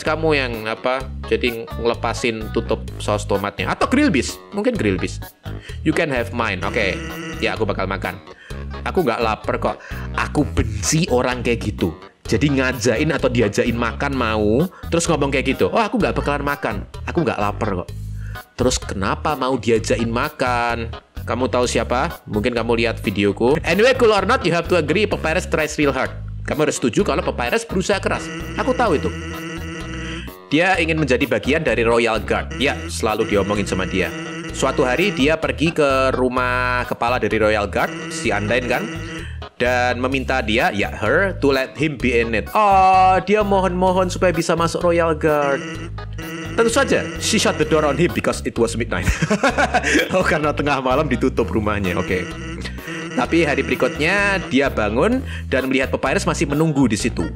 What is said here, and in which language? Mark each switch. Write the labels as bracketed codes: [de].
[id] Kamu yang apa? Jadi ngelepasin tutup saus tomatnya atau Grillbees? Mungkin Grillbees. [en] You can have mine. [id] Okay. Ya, aku bakal makan. Aku nggak lapar kok. Aku benci orang kayak gitu. Jadi ngajain atau diajain makan mau, terus ngomong kayak gitu. Oh, aku nggak bakalan makan. Aku nggak lapar kok. Terus kenapa mau diajain makan? Kamu tahu siapa? Mungkin kamu lihat videoku. [en] Anyway, cool or not, you have to agree Papyrus tries real hard. [id] Kamu harus setuju kalau Papyrus berusaha keras. Aku tahu itu. Dia ingin menjadi bagian dari Royal Guard. Ya, selalu diomongin sama dia. Suatu hari, dia pergi ke rumah kepala dari Royal Guard, si Undyne kan? Dan meminta dia, ya, [en] her, to let him be in it. [id] Oh, dia mohon-mohon supaya bisa masuk Royal Guard. Tentu saja, [en] she shut the door on him because it was midnight. [id] Oh, karena tengah malam ditutup rumahnya, oke. Tapi hari berikutnya, dia bangun dan melihat Papyrus masih menunggu di situ.